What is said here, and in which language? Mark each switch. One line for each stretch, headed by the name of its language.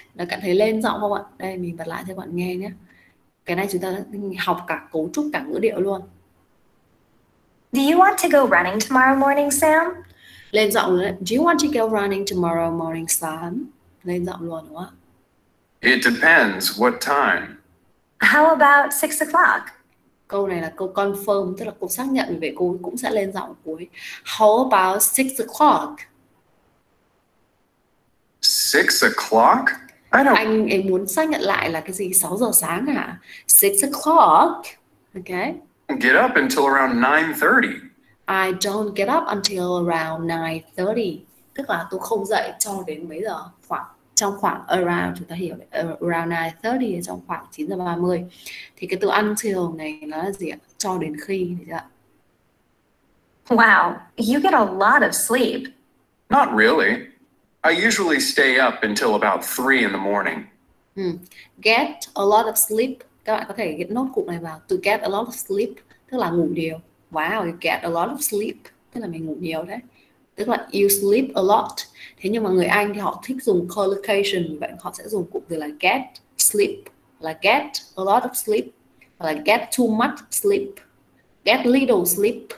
Vietnamese: Đã cảm thấy lên giọng không ạ? Đây, mình bật lại cho bạn nghe nhé. Cái này chúng ta học cả cấu trúc cả ngữ điệu luôn.
English: Do you want to go running tomorrow morning, Sam?
Vietnamese: Lên giọng luôn.
English: Do you want to go running tomorrow morning, Sam?
Vietnamese: Lên giọng luôn đúng không?
English: It depends what time. How about 6 o'clock?
Vietnamese: Câu này là câu confirm, tức là câu xác nhận, vì vậy cô cũng sẽ lên giọng cuối.
English: How about 6 o'clock? 6 o'clock? I don't...
Vietnamese: Anh ấy muốn xác nhận lại là cái gì? 6 giờ sáng hả?
English: 6 o'clock. Okay. Get up until around 9:30. I don't get up until around 9:30.
Vietnamese: Tức là tôi không dậy cho đến mấy giờ? Khoảng trong khoảng around, chúng ta hiểu around 9:30, trong khoảng 9:30. Thì cái từ until này nó là gì ạ? Cho đến khi thì ạ?
English: Wow, you get a lot of sleep. Not really. I usually stay up until about 3 in the morning. Get a lot of sleep.
Vietnamese: Các bạn có thể get nốt cụm này vào.
English: To get a lot of sleep,
Vietnamese: tức là ngủ nhiều.
English: Wow, you get a lot of sleep.
Vietnamese: Tức là mình ngủ nhiều đấy. Tức là
English: you sleep a lot.
Vietnamese: Thế nhưng mà người Anh thì họ thích dùng collocation. Vậy họ sẽ dùng cụm từ là get sleep, là
English: get a lot of sleep,
Vietnamese: hoặc là
English: get too much sleep, get little sleep.